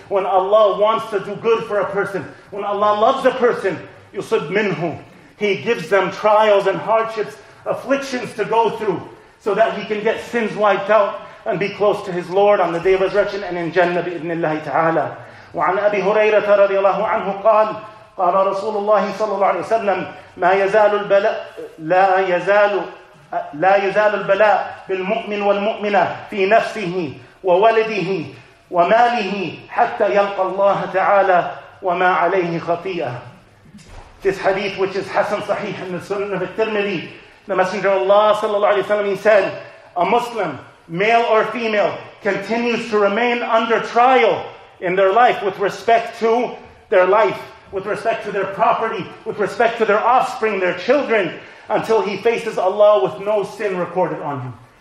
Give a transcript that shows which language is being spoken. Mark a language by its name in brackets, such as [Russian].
[English] When Allah wants to do good for a person, when Allah loves a person, [Arabic] يُصِبْ مِنْهُ, [English] He gives them trials and hardships, afflictions to go through, so that he can get sins wiped out and be close to his Lord on the day of resurrection and in Jannah [Arabic] بِإِذْنِ اللَّهِ تَعَالَى. وَعَنْ أَبِي هُرَيْرَةَ رَضِيَ اللَّهُ عَنْهُ قَالَ قال رسول الله صلى الله عليه وسلم ما يزال البلاء لا يزال البلاء بالمؤمن والمؤمنة في نفسه وولده وماله حتى يلقى الله تعالى وما عليه خطيئة. [English] This hadith, which is Hassan Sahih in the Sunnah of Tirmidhi, the Messenger of Allah صلى الله عليه وسلم, he said, a Muslim, male or female, continues to remain under trial in their life with respect to their life, with respect to their property, with respect to their offspring, their children, until he faces Allah with no sin recorded on him.